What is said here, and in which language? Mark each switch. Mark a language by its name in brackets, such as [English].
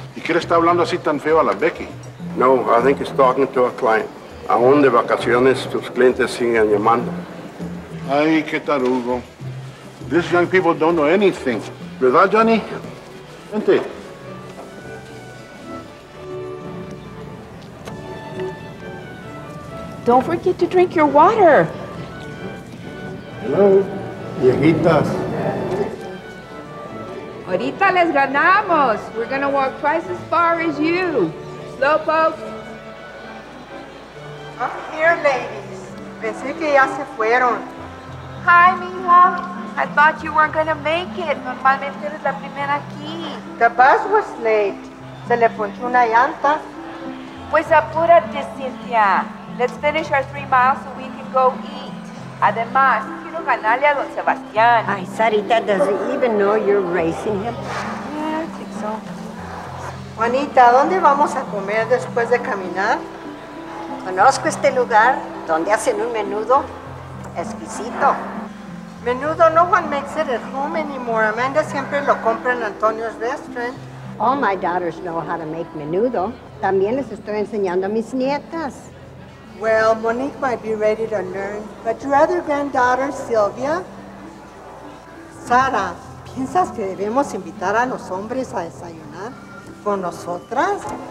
[Spanish] ¿Y qué le está hablando así tan feo a la Becky? [English] No, I think he's talking to a client. [Spanish] Aún de vacaciones, sus clientes siguen llamando. Ay, qué tarugo. [English] These young people don't know anything. [Spanish] ¿Verdad, Johnny? Vente. [English] Don't forget to drink your water. Hello. Viejitas. [Spanish] Ahorita les ganamos. [English] We're gonna walk twice as far as you. Slow poke. I'm here, ladies. [Spanish] Pensé que ya se fueron. [English] Hi, mija. I thought you weren't gonna make it. [Spanish] Normalmente eres la primera aquí. [English] The bus was late. [Spanish] Se le ponchó una llanta. Pues apúrate, Cynthia. [English] Let's finish our 3 miles so we can go eat. [Spanish] Además, ganarle a Don Sebastián. [English] Ay, Sarita doesn't even know you're racing him. Yeah, I think so. [Spanish] Juanita, ¿dónde vamos a comer después de caminar? Conozco este lugar donde hacen un menudo exquisito. [English] Menudo, no one makes it at home anymore. [Spanish] Amanda siempre lo compra en Antonio's restaurant. [English] All my daughters know how to make menudo. [Spanish] También les estoy enseñando a mis nietas. [English] Well, Monique might be ready to learn, but your other granddaughter, Silvia? [Spanish] Sara, ¿piensas que debemos invitar a los hombres a desayunar con nosotras?